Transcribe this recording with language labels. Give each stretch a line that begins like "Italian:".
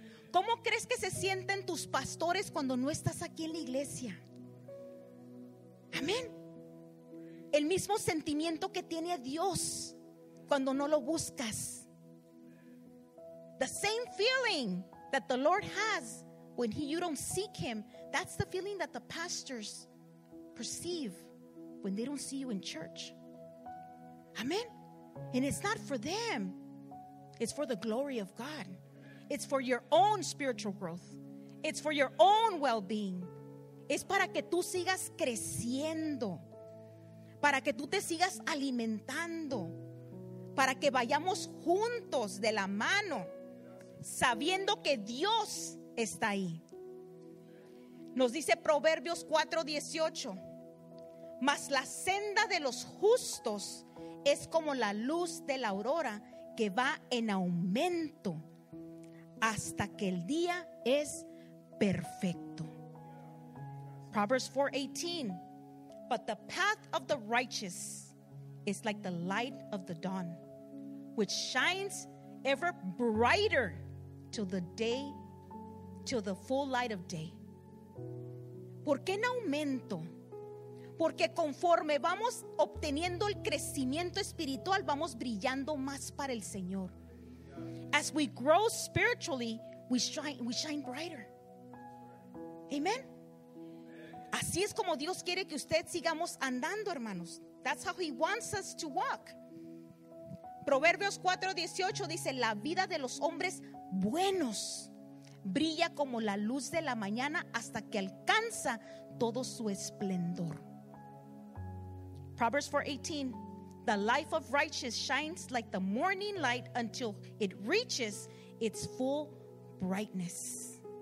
Spanish: ¿Cómo crees que se sienten tus pastores cuando no estás aquí en la iglesia? Amén. El mismo sentimiento que tiene Dios cuando no lo buscas.
English: The same feeling that the Lord has when you don't seek him. That's the feeling that the pastors perceive when they don't see you in church. Amen. And it's not for them. It's for the glory of God. It's for your own spiritual growth. It's for your own well-being.
Spanish: Es para que tú sigas creciendo. Para que tú te sigas alimentando. Para que vayamos juntos de la mano, sabiendo que Dios está ahí. Nos dice Proverbios 4:18. Mas la senda de los justos es como la luz de la aurora que va en aumento hasta que el día es perfecto.
English: Proverbs 4:18. But the path of the righteous is like the light of the dawn, which shines ever brighter till the full light of day.
Spanish: ¿Por qué en aumento? Porque conforme vamos obteniendo el crecimiento espiritual, vamos brillando más para el Señor.
English: As we grow spiritually, we shine brighter. Amen.
Spanish: Así es como Dios quiere que usted sigamos andando, hermanos.
English: That's how he wants us to walk.
Spanish: Proverbios 4:18 dice, la vida de los hombres buenos brilla como la luz de la mañana hasta que alcanza todo su esplendor.
English: Proverbs 4:18, the life of righteous shines like the morning light until it reaches its full brightness.